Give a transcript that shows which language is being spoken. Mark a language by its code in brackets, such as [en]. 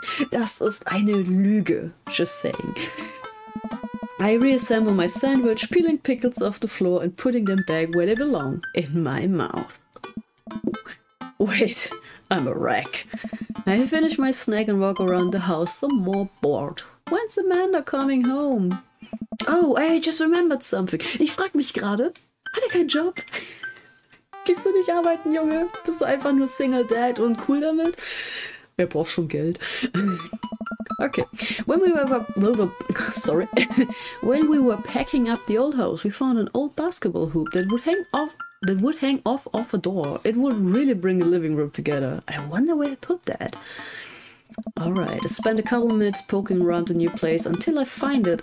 [de] Das ist eine Lüge, [en] just saying. I reassemble my sandwich, peeling pickles off the floor and putting them back where they belong, in my mouth. Wait, I'm a wreck. I finish my snack and walk around the house some more bored. When's Amanda coming home? Oh, I just remembered something. [de] Ich frag mich gerade, hat er keinen Job? Gehst du nicht arbeiten, Junge? Bist du einfach nur Single Dad und cool damit? Wer braucht schon Geld? Okay. [en] When we were packing up the old house, we found an old basketball hoop that would hang off a door. It would really bring the living room together. I wonder where I put that. Alright, I spend a couple of minutes poking around the new place until I find it.